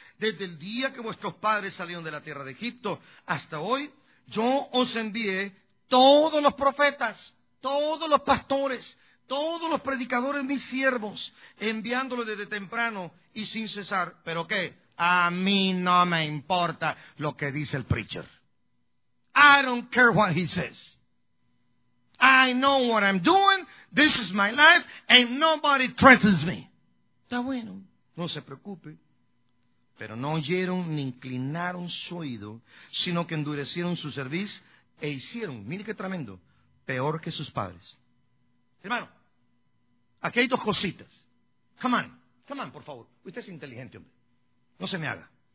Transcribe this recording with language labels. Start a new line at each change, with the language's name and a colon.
Spanish: Desde el día que vuestros padres salieron de la tierra de Egipto hasta hoy, yo os envié todos los profetas, todos los pastores, todos los predicadores, mis siervos, enviándolos desde temprano y sin cesar. ¿Pero qué? A mí no me importa lo que dice el preacher.
English: I don't care what he says. I know what I'm doing, this is my life, and nobody threatens me.
Spanish: Está bueno, no se preocupe. Pero no oyeron ni inclinaron su oído, sino que endurecieron su cerviz e hicieron, mire qué tremendo, peor que sus padres. Hermano, aquí hay dos cositas.
English: Come on,
Spanish: por favor. Usted es inteligente, hombre. No se me haga.